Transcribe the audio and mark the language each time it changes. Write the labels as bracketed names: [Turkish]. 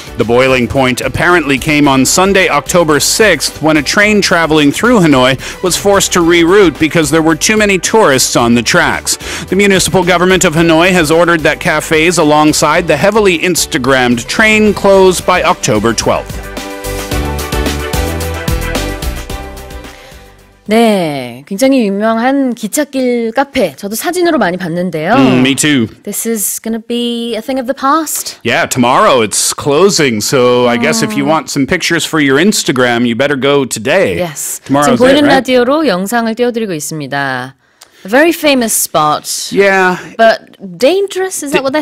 [English] The boiling point apparently came on Sunday, October 6th, when a train traveling through Hanoi was forced to reroute because there were too many tourists on the tracks. The municipal government of Hanoi has ordered that cafes alongside the heavily Instagram train closed by October 12th. [Korean] 네, 굉장히 유명한 기찻길 카페. 저도 사진으로 많이 봤는데요. [English] Me too. This is going to be a thing of the past. Yeah, tomorrow it's closing. So I guess if you want some pictures for your Instagram, you better go today. Yes. Tomorrow's [Korean] 지금 보이는 라디오로 영상을 띄워드리고 있습니다. [English] A very famous spot. Yeah. But dangerous, is that what they're